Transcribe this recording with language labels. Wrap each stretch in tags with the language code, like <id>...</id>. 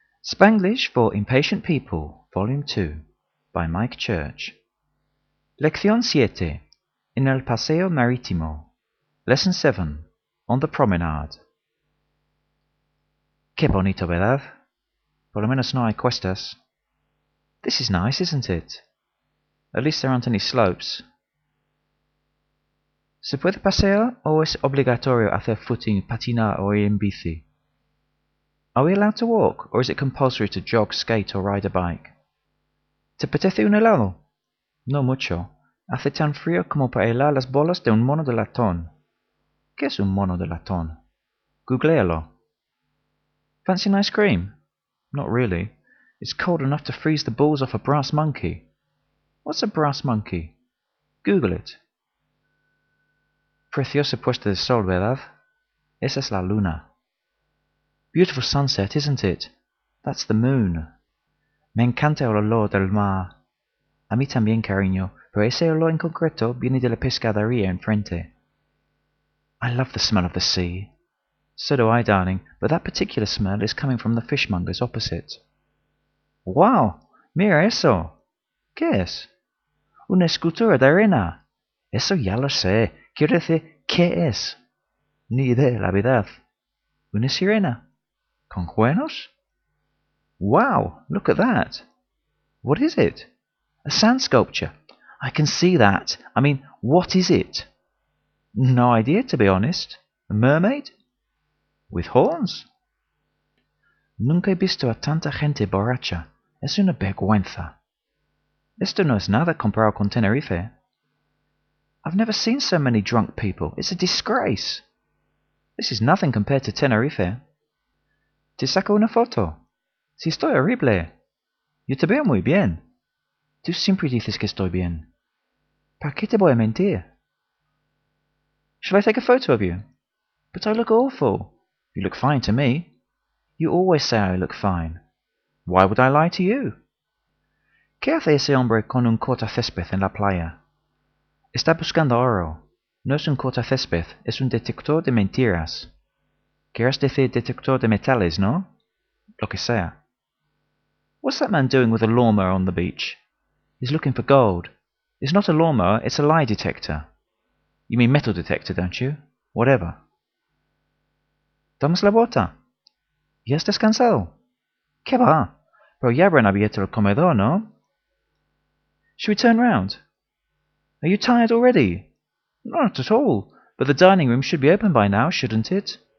<en>Spanglish for Impatient People, Volume 2, by Mike Church.</en> <es>Lección 7, en el Paseo Marítimo.</es> <en>Lesson 7, on the Promenade.</en> <es>Qué bonito, ¿verdad? Por lo menos no hay cuestas.</es> <en>This is nice, isn't it? At least there aren't any slopes.</en> <es>¿Se puede pasear o es obligatorio hacer footing, patinar o ir en bici?</es> <en>Are we allowed to walk, or is it compulsory to jog, skate, or ride a bike?</en> <es>¿Te apetece un helado? No mucho. Hace tan frío como para helar las bolas de un mono de latón. ¿Qué es un mono de latón? Googlealo.</es> <en>Fancy an ice cream? Not really. It's cold enough to freeze the balls off a brass monkey. What's a brass monkey? Google it.</en> <es>Precioso puesto de sol, ¿verdad? Esa es la luna.</es> <en>Beautiful sunset, isn't it? That's the moon.</en> <es>Me encanta el olor del mar. A mí también, cariño, pero ese olor en concreto viene de la pescadería enfrente.</es> <en>I love the smell of the sea. So do I, darling, but that particular smell is coming from the fishmongers opposite.</en> <es>Wow! Mira eso! ¿Qué es? Una escultura de arena. Eso ya lo sé. Quiero decir, ¿qué es? Ni idea, la verdad. Una sirena. ¿Con cuernos?</es> <en>Wow, look at that. What is it? A sand sculpture. I can see that. I mean, what is it? No idea, to be honest. A mermaid? With horns?</en> <es>Nunca he visto a tanta gente borracha. Es una vergüenza. Esto no es nada comparado con Tenerife.</es> <en>I've never seen so many drunk people. It's a disgrace. This is nothing compared to Tenerife.</en> <es>¿Te saco una foto? Si estoy horrible. Yo te veo muy bien. Tú siempre dices que estoy bien. ¿Para qué te voy a mentir?</es> <en>Shall I take a photo of you? But I look awful. You look fine to me. You always say I look fine. Why would I lie to you?</en> <es>¿Qué hace ese hombre con un cortacésped en la playa? Está buscando oro. No es un cortacésped, es un detector de mentiras. Quieres decir detector de metales, ¿no? Lo que sea.</es> <en>What's that man doing with a lawnmower on the beach? He's looking for gold. It's not a lawnmower, it's a lie detector. You mean metal detector, don't you? Whatever.</en> <es>¿Tomas la bota? ¿Ya has descansado? ¿Qué va? Pero ya habrán abierto el comedor, ¿no?</es> <en>Should we turn round? Are you tired already? Not at all, but the dining room should be open by now, shouldn't it?</en>